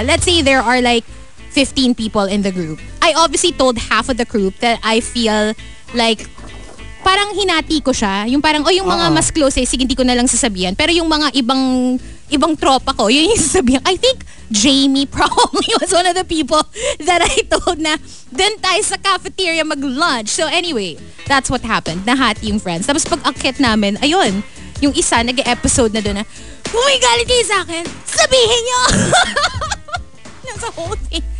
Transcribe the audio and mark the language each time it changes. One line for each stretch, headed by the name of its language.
English: Let's say there are like 15 people in the group. I obviously told half of the group that I feel like,
Filipino: parang hinati ko siya. Yung parang, o yung mga mas close, sige, hindi ko na lang sasabihin. Pero yung mga ibang tropa ko, yun yung sasabihin. I think Jamie probably was one of the people that I told na dun tayo sa cafeteria mag-lunch.
English: So anyway, that's what happened.
Filipino: Nahati yung friends. Tapos pag-akit namin, ayun, yung isa nag-episode na dun na, gumigalit kayo sa akin, sabihin nyo!
English: That's the whole thing.